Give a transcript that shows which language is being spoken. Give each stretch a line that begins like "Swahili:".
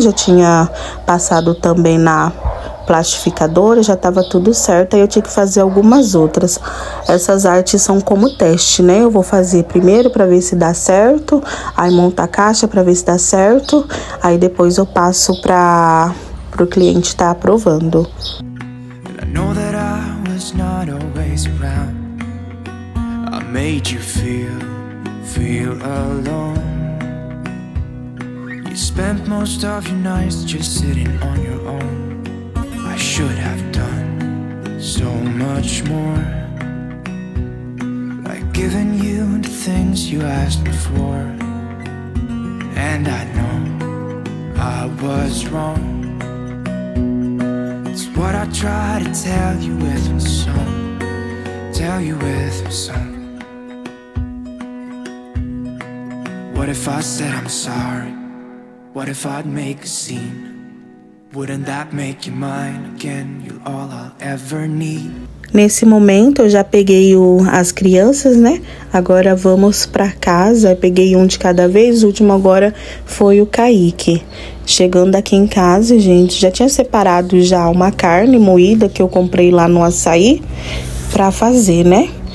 Portuguese: Já tinha passado também na plastificadora, já tava tudo certo. Aí eu tinha que fazer algumas outras. Essas artes são como teste, né? Eu vou fazer primeiro pra ver se dá certo. Aí monto a caixa pra ver se dá certo. Aí depois eu passo pra... pro cliente tá aprovando.
English: And I know that I was not always around. I made you feel alone. You spent most of your nights just sitting on your own. I should have done so much more. Like giving you the things you asked before. And I know I was wrong. It's what I try to tell you with my song. Tell you with my song. What if I said I'm sorry? What if I'd make a scene? Wouldn't that make you mine again? You're all I'll ever need.
Portuguese: Nesse momento eu já peguei as crianças, né? Agora vamos pra casa. Eu peguei um de cada vez. O último agora foi o Kaique. Chegando aqui em casa, gente, já tinha separado já uma carne moída que eu comprei lá no açaí pra fazer, né?